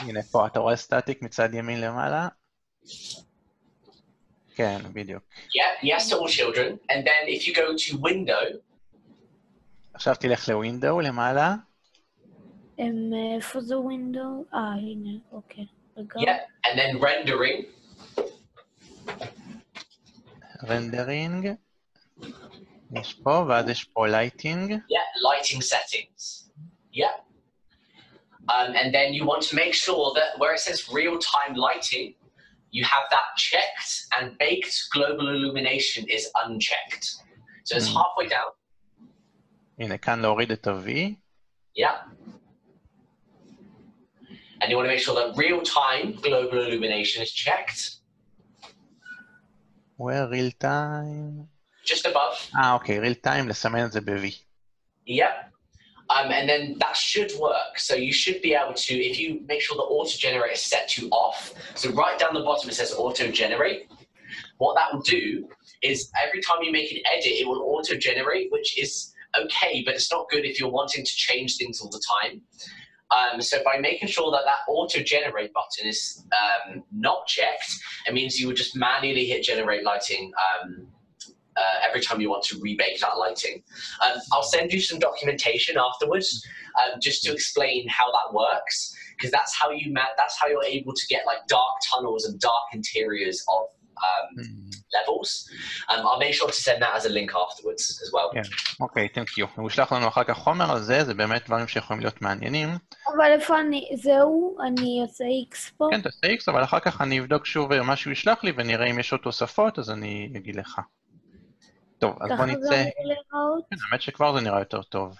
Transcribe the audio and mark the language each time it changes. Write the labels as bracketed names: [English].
[Hebrew] הנה פה, אתה רואה סטטיק מצד ימין למעלה? כן, בדיוק. [English] Yes to all children, and then if you go to window... [Hebrew] עכשיו תלך לווינדו, למעלה. [English] For the window? הנה, אוקיי. Yeah, and then rendering. Rendering. [Hebrew] יש פה, ועד יש פה lighting. [English] Yeah, lighting settings. Yeah. And then you want to make sure that where it says real-time lighting, you have that checked, and baked global illumination is unchecked. So it's halfway down. [Hebrew] הנה, כאן להוריד את ה-V. [English] Yeah. And you want to make sure that real-time global illumination is checked. Where real-time? Just above. [Hebrew] Okay, real-time, לסמן את זה ב-V. [English] Yeah. And then that should work. So you should be able to, if you make sure the auto-generate is set to off, so right down the bottom it says auto-generate, what that will do is every time you make an edit, it will auto-generate, which is... okay, but it's not good if you're wanting to change things all the time. So by making sure that that auto-generate button is not checked, it means you would just manually hit generate lighting every time you want to rebake that lighting. I'll send you some documentation afterwards just to explain how that works, because that's how you that's how you're able to get like dark tunnels and dark interiors of levels. I'll make sure to send that as a link afterwards as well. Yeah. Okay, thank you. [Hebrew] הוא שלח לנו אחר כך חומר על זה, זה באמת דברים שיכולים להיות מעניינים. אבל איפה אני, זהו, אני עושה X פה. כן, אתה עושה X, אבל אחר כך אני אבדוק שוב מה שהוא ישלח לי ונראה אם יש עוד תוספות, אז אני אגיד לך. טוב, אז בוא נצא. ככה זה לראות. כן, האמת שכבר זה נראה יותר טוב.